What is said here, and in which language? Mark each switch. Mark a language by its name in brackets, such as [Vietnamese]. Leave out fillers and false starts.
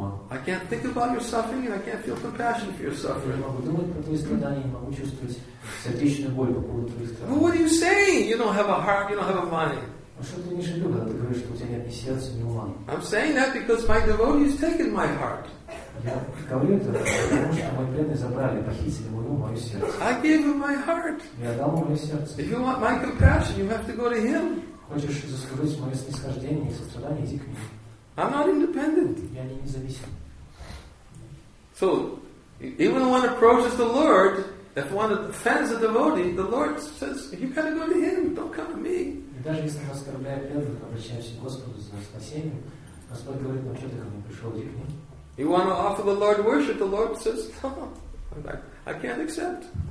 [English] I can't think about your suffering and I can't feel compassion for your suffering. But what are you saying? You don't have a heart, you don't have a mind. I'm saying that because my devotee has taken my heart. [Russian] Я говорю это, потому что мой преданный забрали, похитили мой ум, мое сердце. [English] I gave him my heart. [Russian] Я дал ему мое сердце. [English] If you want my compassion, you have to go to him. [Russian] Хочешь заслужить мое снисхождение и сострадание, иди к нему. [English] I'm not independent. [Russian] Я не независим. [English] So, even when one approaches the Lord, if one offends a devotee, the Lord says, you got to go to him, don't come to me. [Russian] И даже если я оскорбляю преданных, обращаюсь к Господу за спасение, Господь говорит, ну что ты ко мне пришел, иди к нему. [English] You want to offer the Lord worship, the Lord says, no, I can't accept.